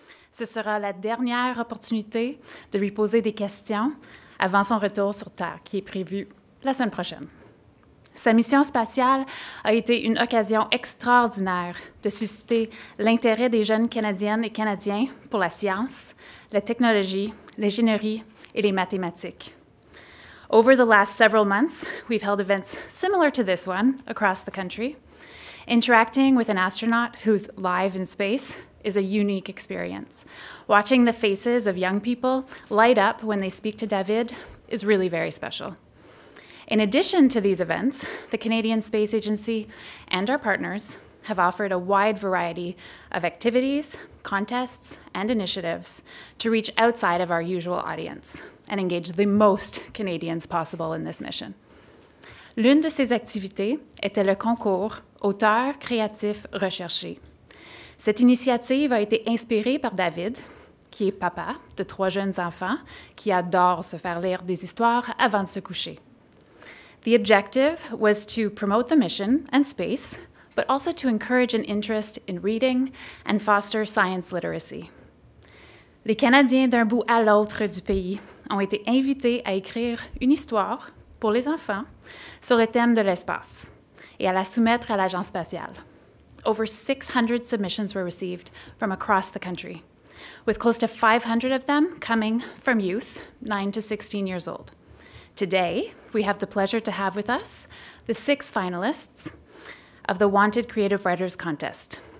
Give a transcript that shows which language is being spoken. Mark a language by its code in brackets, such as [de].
[fr] Ce sera la dernière opportunité de lui poser des questions avant son retour sur Terre, qui est prévu la semaine prochaine. Sa mission spatiale a été une occasion extraordinaire de susciter l'intérêt des jeunes Canadiennes et Canadiens pour la science, la technologie, l'ingénierie et les mathématiques. [en] Over the last several months, we've held events similar to this one across the country. Interacting with an astronaut who's live in space is a unique experience. Watching the faces of young people light up when they speak to David is really very special. In addition to these events, the Canadian Space Agency and our partners have offered a wide variety of activities, contests, and initiatives to reach outside of our usual audience and engage the most Canadians possible in this mission. [fr] L'une de ces activités était le concours Auteur créatif recherché. Cette initiative a été inspirée par David, qui est papa de trois jeunes enfants qui adorent se faire lire des histoires avant de se coucher. [en] The objective was to promote the mission and space, but also to encourage an interest in reading and foster science literacy. [fr] Les Canadiens d'un bout à l'autre du pays ont été invités à écrire une histoire pour les enfants sur le thème de l'espace et à la soumettre à l'Agence spatiale. [en] Over 600 submissions were received from across the country, with close to 500 of them coming from youth 9 to 16 years old. Today, we have the pleasure to have with us the 6 finalists of the Wanted Creative Writers Contest.